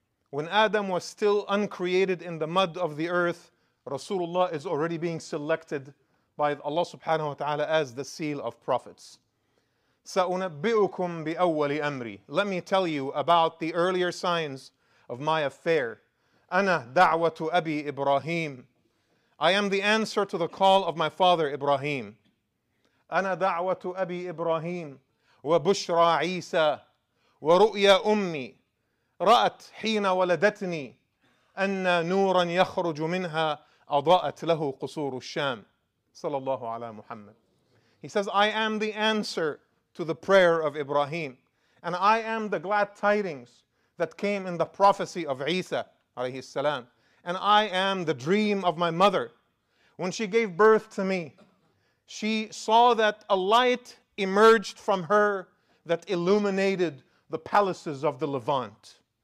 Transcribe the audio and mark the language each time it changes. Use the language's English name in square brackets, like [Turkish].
[English] When Adam was still uncreated in the mud of the earth, Rasulullah is already being selected by Allah subhanahu wa ta'ala as the seal of prophets. [Arabic] سَأُنَبِّئُكُمْ بِأَوَّلِ أَمْرِي [English] Let me tell you about the earlier signs of my affair. [Arabic] أَنَا دَعْوَةُ أَبِي إِبْرَاهِيمِ [English] I am the answer to the call of my father Ibrahim. [Arabic] أَنَا دَعْوَةُ أَبِي إِبْرَاهِيمِ وَبُشْرَى عِيسَى وَرُؤْيَا أُمِّي رَأَتْ حِينَ وَلَدَتْنِي أَنَّ نُورًا يَخْرُجُ مِنْهَا أَضَاءَتْ لَهُ قُصُورُ الشَّامِ صلى الله على محمد [English] He says, I am the answer to the prayer of Ibrahim. And I am the glad tidings that came in the prophecy of Isa, alayhi salam. And I am the dream of my mother. When she gave birth to me, she saw that a light emerged from her that illuminated the palaces of the Levant.